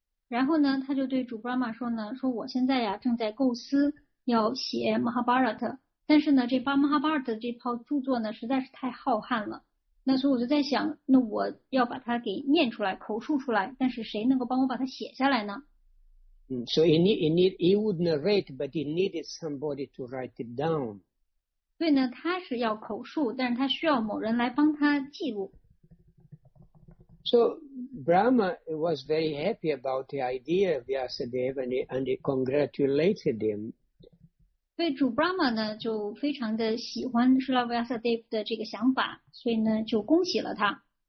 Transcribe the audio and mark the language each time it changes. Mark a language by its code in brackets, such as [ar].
[zh] 然后呢，他就对主 Brahma 说呢，说我现在呀正在构思要写 Mahabharata， 但是呢，这把 Mahabharata 这套著作呢实在是太浩瀚了，那所以我就在想，那我要把它给念出来，口述出来，但是谁能够帮我把它写下来呢？ [en] So he would narrate, but he needed somebody to write it down. [zh] 所以呢，他是要口述，但是他需要某人来帮他记录。 [en] So Brahma was very happy about the idea of Vyasadeva, and he congratulated him. [zh] 所以主 Brahma 呢就非常的喜欢 Srila Vyasadeva 的这个想法，所以呢就恭喜了他。